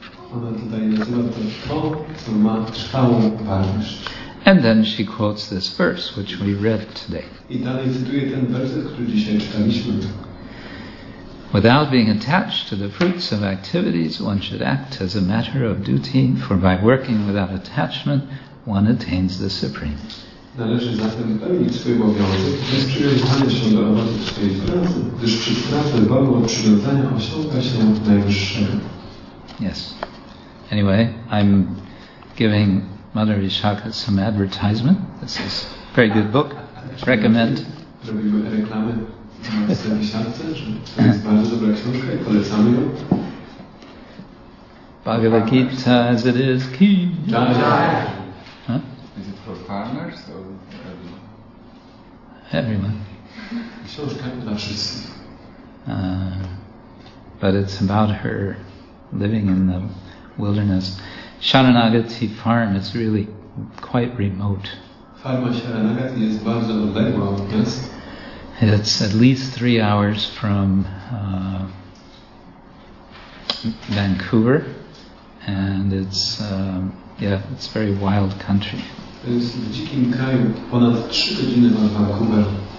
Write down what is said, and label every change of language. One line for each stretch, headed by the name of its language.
English: And then she quotes this verse, which we read today. Without being attached to the fruits of activities, one should act as a matter of duty, for by working without attachment, one attains the Supreme.
Polish: Należy zatem pełnić swój obowiązek, bez przywiązania się do owoców swojej pracy, gdyż przez pracę wolno od przywiązania osiąga się najwyższego.
English: Yes. Anyway, I'm giving Mother Ishaka some advertisement. This is a very good book. Recommend.
Polish: Robimy reklamy na Ishakce, że to jest bardzo dobra książka i polecamy ją.
English: Bhagavad Gita as it is, ki. Everyone. But it's about her living in the wilderness. Sharanagati farm is really quite remote. It's at least 3 hours from Vancouver, and it's very wild country.
Polish: To jest w dzikim kraju, ponad 3 godziny od Vancouver.